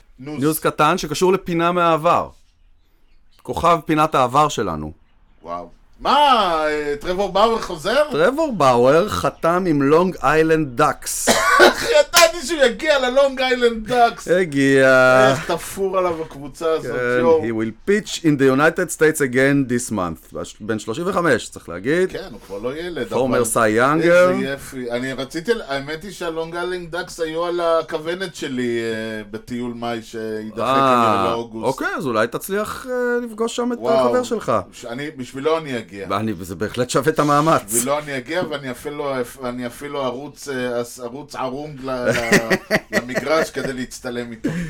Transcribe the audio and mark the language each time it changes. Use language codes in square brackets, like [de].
[he] ניוז קטן שקשור לפינה מהעבר. כוכב פינת העבר שלנו. וואו. מה? טרבור באואר חוזר? טרבור באואר חתם עם לונג איילנד דאקס. חייתתי שהוא יגיע ללונג איילנד דאקס. הגיע. איך תפור עליו הקבוצה הזאת. [en] כן, he will pitch in the United States again this month. [he] בן 35, צריך להגיד. כן, הוא כבר לא ילד. פורמר סאי יאנגר. איזה יפי. אני רציתי, האמת היא שהלונג איילנד דאקס היו על הכוונת שלי בטיול מאי שידחק כנראה לאוגוסט. אוקיי, אז אולי תצליח לפגוש שם את החבר שלך. בשבילו אני אגיע. זה בהחלט שווה את המאמץ. בשבילו אני אגיע ואני אפילו ערוץ ערום למגרש כדי להצטלם איתו.